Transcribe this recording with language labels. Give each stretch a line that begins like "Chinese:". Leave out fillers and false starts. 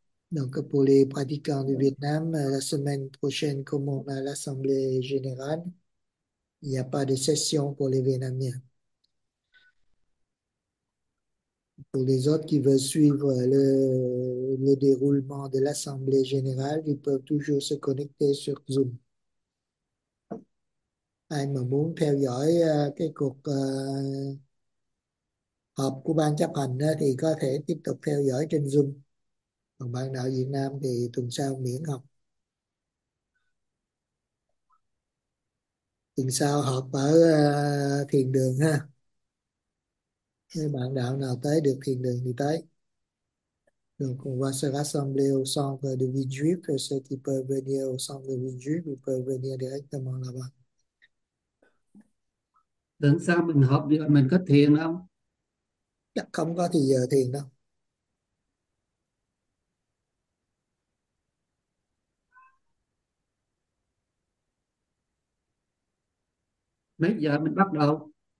French: Donc, pour les pratiquants du Vietnam, la semaine prochaine commence l'Assemblée générale. Il n'y a pas de session pour les Vietnamiens. Pour les autres qui veulent suivre le déroulement de l'Assemblée générale, ils peuvent toujours se connecter sur Zoom.
Vietnamese: Mà muốn theo dõi cái cuộc họp của ban chấp hành thì có thể tiếp tục theo dõi trên Zoom. Còn bạn đạo Việt Nam thì tuần sau miễn học. Tuần sau họp ở thiền đường ha. Nếu bạn đạo nào tới được thiền đường thì tới.
French: Donc on va se rassembler au centre de Villejuif. Ceux qui peuvent venir au centre de Villejuif, ils peuvent venir directement là-bas.
Vietnamese: Tuần sau mình hợp với mình có thiền không? Chắc không có thì giờ thiền đâu. Mấy giờ mình bắt đầu?